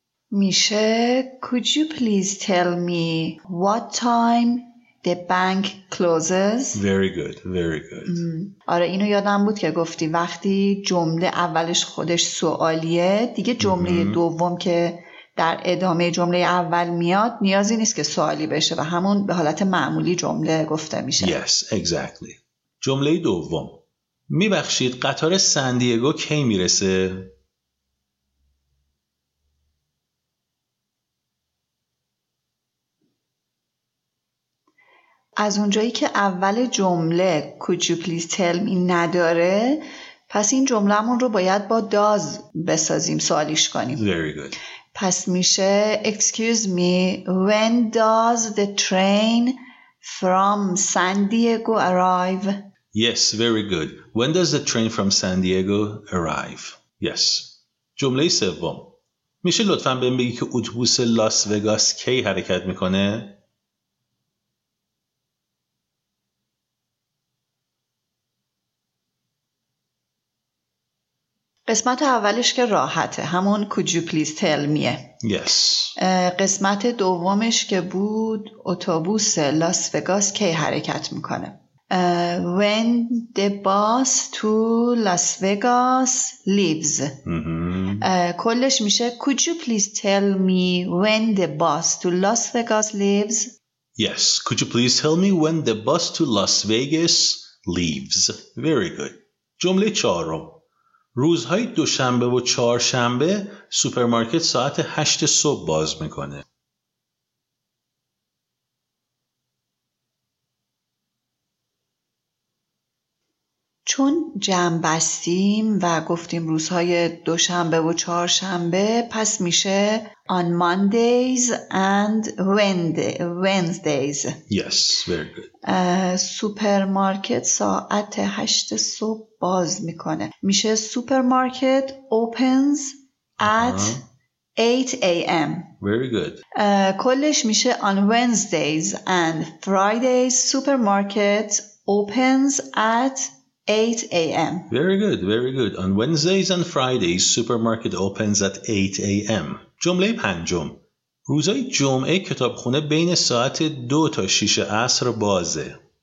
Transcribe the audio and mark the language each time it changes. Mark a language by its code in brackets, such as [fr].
[fa] میشه [en] Could you please tell me what time the bank closes? Very good, very good. [fa] آره اینو یادم بود که گفتی وقتی جمله اولش خودش سوالیه دیگه جمله دوم که در ادامه جمله اول میاد نیازی نیست که سوالی بشه و همون به حالت معمولی جمله گفته میشه. [en] Yes, exactly. [fa] جمله دوم، میبخشید قطار سان دیگو کی میرسه؟ از اونجایی که اول جمله [en] Could you please tell me [fa] نداره، پس این جمله‌مون رو باید با does بسازیم، سوالیش کنیم. [en] Very good. [fa] پس میشه [en] Excuse me, when does the train from San Diego arrive? Yes, very good. When does the train from San Diego arrive? Yes. [fa] جمله سوم، میشه لطفاً بهم بگی که اتوبوس لاس وگاس کی حرکت میکنه؟ قسمت اولش که راحته، همون [en] Could you please tell me. Yes. [fa] قسمت دومش که بود اتوبوس لاس وگاس کی حرکت میکنه. [en] When the bus to Las Vegas leaves. [fa] کلش میشه [en] Could you please tell me when the bus to Las Vegas leaves. Yes. Could you please tell me when the bus to Las Vegas leaves. Very good. [fa] جمله چهارم. روزهای دوشنبه و چهارشنبه سوپرمارکت ساعت 8 صبح باز میکنه. چون جمع بستیم و گفتیم روزهای دوشنبه و چهارشنبه، پس میشه [en] on Mondays and Wednesdays. Yes, very good. [fa] سوپرمارکت ساعت 8 صبح باز میکنه. میشه [en] supermarket opens at 8 a.m. Very good. [fa] کلش میشه [en] on Wednesdays and Fridays supermarket opens at 8 a.m. Very good, very good. On Wednesdays and Fridays supermarket opens at 8 a.m. [fa] جمله پنجم. روزای جمعه کتابخونه بین ساعت 2 تا 6 عصر بازه.